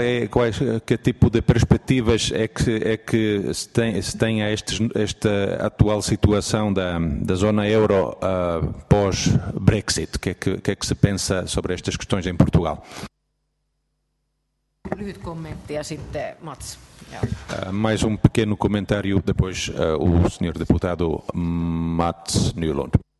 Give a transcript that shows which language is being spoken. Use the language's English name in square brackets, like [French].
[Portuguese] Quais que tipo de perspectivas é que se tem a esta atual situação da zona euro pós-Brexit? O que é que se pensa sobre estas questões em Portugal? [Finnish] Lyhyt kommentti ja sitten Mats. [Portuguese] Mais um pequeno comentário depois o senhor deputado Mats Nylund.